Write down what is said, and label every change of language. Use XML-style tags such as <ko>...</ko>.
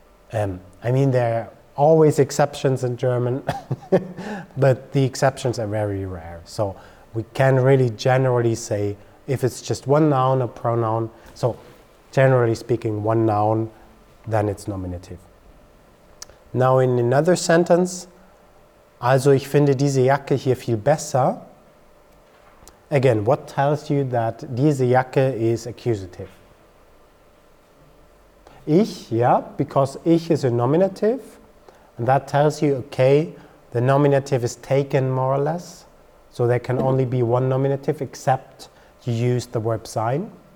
<en>There are always exceptions in German, but the exceptions are very rare. So we can really generally say, if it's just one noun or pronoun, so generally speaking, one noun than its nominative. Now in another sentence, also</en> <de>ich finde diese Jacke hier viel besser.</de> <en>Again, what tells you that</en> <de>diese Jacke</de> <en>is accusative? Ich, yeah, because ich is a nominative, and that tells you, okay, the nominative is taken more or less, so there can only be one nominative except you use the verb sein.</en>